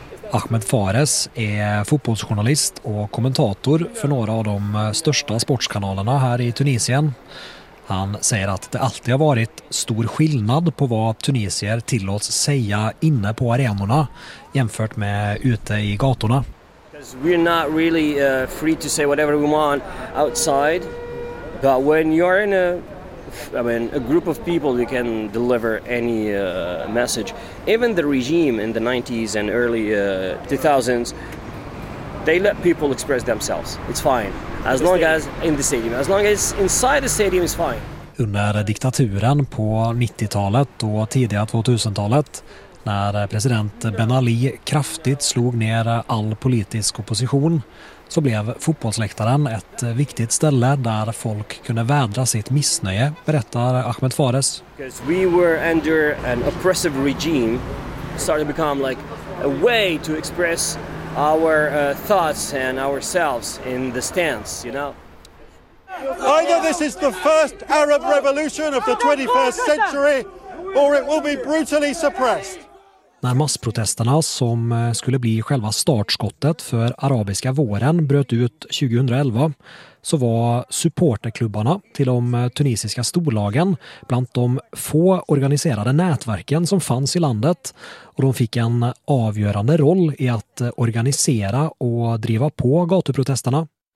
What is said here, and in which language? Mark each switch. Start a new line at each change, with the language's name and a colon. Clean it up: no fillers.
Swedish: Ahmed Fares är fotbollsjournalist och kommentator för några av de största sportskanalerna här i Tunisien. Han säger att det alltid har varit stor skillnad på vad tunisier tillåts säga inne på arenorna jämfört med ute i gatorna.
English: We're not really free to say whatever we want outside, but when you're in a group of people, you can deliver any message. Even the regime in the 90s and early 2000s, they let people express themselves. It's fine. As long as in the stadium, as long as inside the stadium is fine.
Swedish: Under diktaturen på 90-talet och tidiga 2000-talet, när president Ben Ali kraftigt slog ner all politisk opposition, så blev fotbollsläktaren ett viktigt ställe där folk kunde vädra sitt missnöje, berättar Ahmed Fares.
English: Because we were under an oppressive regime, started to become like a way to express our thoughts and ourselves in the stands, you know. Either this is the first Arab revolution of the 21st century or it will be brutally suppressed.
Swedish: När massprotesterna som skulle bli själva startskottet för arabiska våren bröt ut 2011 så var supporterklubbarna till de tunisiska storlagen bland de få organiserade nätverken som fanns i landet, och de fick en avgörande roll i att organisera och driva på gatuprotesterna.